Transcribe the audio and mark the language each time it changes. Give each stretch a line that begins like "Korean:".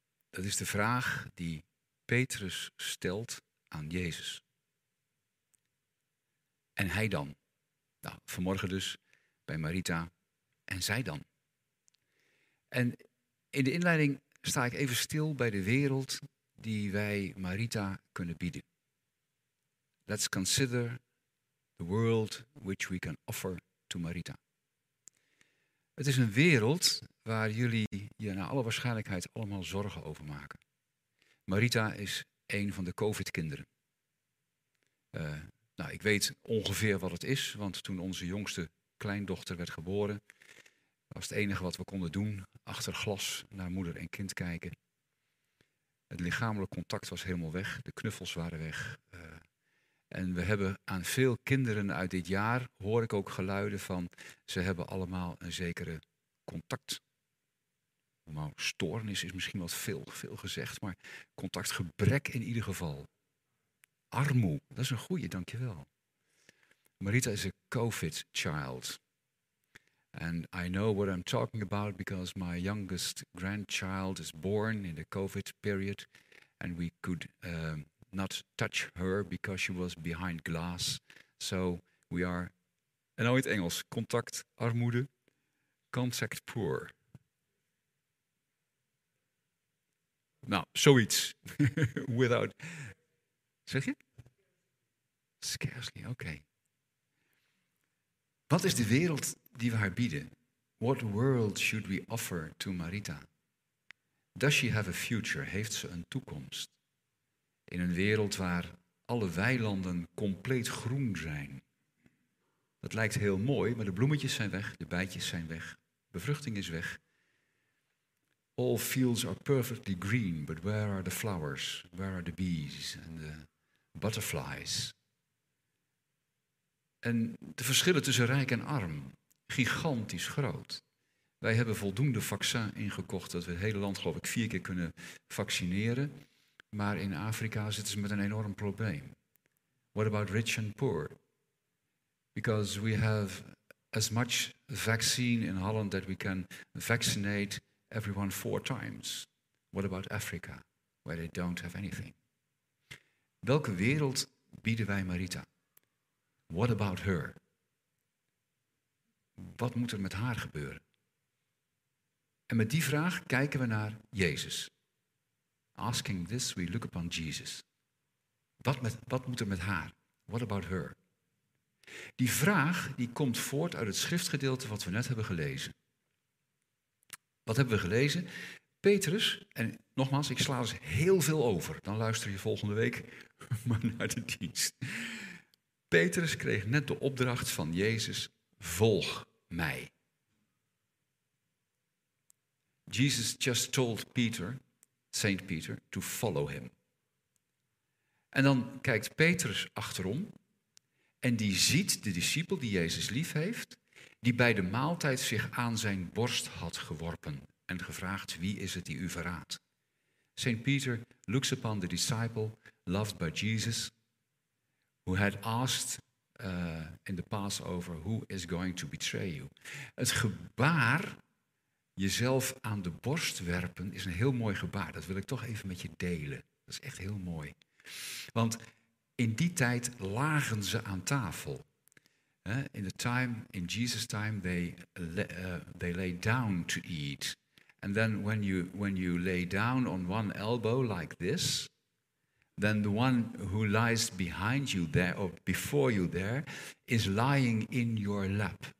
Dutch: Dat is de vraag die Petrus stelt aan Jezus. En hij dan? Nou, vanmorgen dus bij Marita. En zij dan? En in de inleiding sta ik even stil bij de wereld die wij Marita kunnen bieden.
English: Let's consider the world which we can offer to Marita.
Dutch: Het is een wereld waar jullie je naar alle waarschijnlijkheid allemaal zorgen over maken. Marita is een van de COVID-kinderen. Nou, ik weet ongeveer wat het is, want toen onze jongste kleindochter werd geboren, was het enige wat we konden doen, achter glas naar moeder en kind kijken. Het lichamelijk contact was helemaal weg, de knuffels waren weg. En we hebben aan veel kinderen uit dit jaar, hoor ik ook geluiden van, ze hebben allemaal een zekere contact. Nou, stoornis is misschien wat veel gezegd, maar contactgebrek in ieder geval. Armoe, dat is een goeie, dankjewel. Marita is een COVID child.
English: And I know what I'm talking about because my youngest grandchild is born in the COVID period. And we could not touch her because she was behind glass. So we are,
Dutch: en nou in het Engels, contact armoede,
English: contact poor.
Dutch: Nou, zoiets. Without, zeg je? Scarcely, oké. Okay. Wat is de wereld die we haar bieden?
English: What world should we offer to Marita? Does she have a future?
Dutch: Heeft ze een toekomst? In een wereld waar alle weilanden compleet groen zijn. Dat lijkt heel mooi, maar de bloemetjes zijn weg, de bijtjes zijn weg, bevruchting is weg.
English: All fields are perfectly green, but where are the flowers? Where are the bees and the butterflies?
Dutch: En de verschillen tussen rijk en arm, gigantisch groot. Wij hebben voldoende vaccin ingekocht dat we het hele land, geloof ik, 4 keer kunnen vaccineren. Maar in Afrika zitten ze met een enorm probleem.
English: What about rich and poor? Because we have as much vaccine in Holland that we can vaccinate everyone 4 times. What about Africa, where they don't have anything?
Dutch: Welke wereld bieden wij Marita?
English: What about her?
Dutch: Wat moet er met haar gebeuren? En met die vraag kijken we naar Jezus.
English: Asking this, we look upon Jesus.
Dutch: Wat moet er met haar?
English: What about her?
Dutch: Die vraag die komt voort uit het schriftgedeelte wat we net hebben gelezen. Wat hebben we gelezen? Petrus, en nogmaals, ik sla dus heel veel over. Dan luister je volgende week maar naar de dienst. Petrus kreeg net de opdracht van Jezus, volg mij.
English: Jesus just told Peter, Saint Peter, to follow him.
Dutch: En dan kijkt Petrus achterom en die ziet de discipel die Jezus lief heeft, die bij de maaltijd zich aan zijn borst had geworpen en gevraagd, wie is het die u verraadt?
English: Saint Peter looks upon the disciple loved by Jesus, who had asked in the Passover, who is going to betray you?
Dutch: Het gebaar, jezelf aan de borst werpen, is een heel mooi gebaar. Dat wil ik toch even met je delen. Dat is echt heel mooi. Want in die tijd lagen ze aan tafel.
English: In Jesus' time, they lay down to eat. And then when you lay down on one elbow like this, then the one who lies behind you there, or before you there, is lying in your lap.